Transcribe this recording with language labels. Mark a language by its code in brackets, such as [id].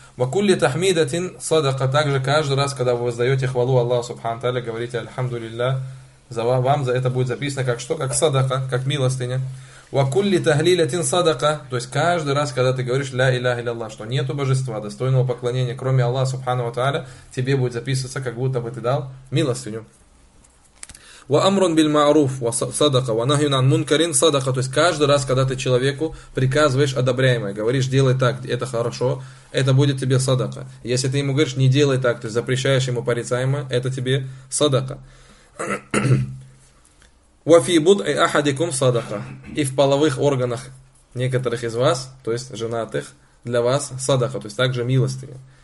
[ar] Вакулли тахмидатин садака. [ru] Также каждый раз, когда вы воздаете хвалу Аллаху субхану тааля, говорите «Альхамду лилля», за вам, вам за это будет записано как что? Как садака, как милостыня. [ar] Вакулли тахлилятин садака. [ru] То есть каждый раз, когда ты говоришь «Ля илля илля», что нету божества, достойного поклонения, кроме Аллаха субхану тааля, тебе будет записываться, как будто бы ты дал милостыню. [ar] وأمر بالمعروف وصدقة ونهي عن منكر صدقة. [ru] То есть каждый раз, когда ты человеку приказываешь одобряемое, говоришь делай так, это хорошо, это будет тебе садака. Если ты ему говоришь не делай так, то есть запрещаешь ему порицаемое, это тебе садака. [ar] وفي بضع أحدكم صدقة. [ru] И в половых органах некоторых из вас, то есть женатых, для вас садака, то есть также милостыня.